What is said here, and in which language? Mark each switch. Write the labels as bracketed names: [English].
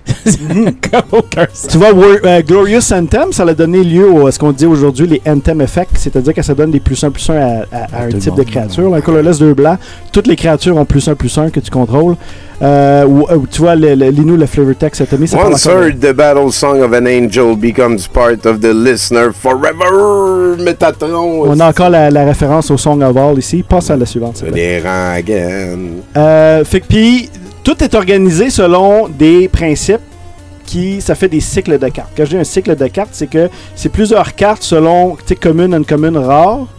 [French] Tu vois, Glorious Anthem, ça a donné lieu à ce qu'on dit aujourd'hui les Anthem Effect, c'est-à-dire que ça donne des +1/+1 à un type de créature. Un colorless 2 blanc, toutes les créatures ont +1/+1 que tu contrôles. Tu vois, lis-nous le flavor text, Tommy. [English] Once heard, the battle song of an angel becomes part of the listener forever, Metatron. [French] On a encore la référence au Song of All ici. Passe à la suivante. Les rangs again. Fait que puis, tout est organisé selon des principes qui, ça fait des cycles de cartes. Quand je dis un cycle de cartes, c'est que c'est plusieurs cartes selon, tu sais, commune, uncommon, rare.